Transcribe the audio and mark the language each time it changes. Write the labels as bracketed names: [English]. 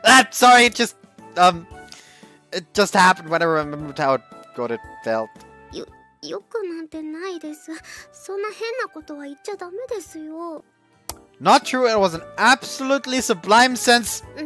[English] sorry, it just happened when I remembered how good it felt. [Japanese] よくなんてないです。そんな変なことは言っちゃダメですよ。 [English] Not true, it was an absolutely sublime sense.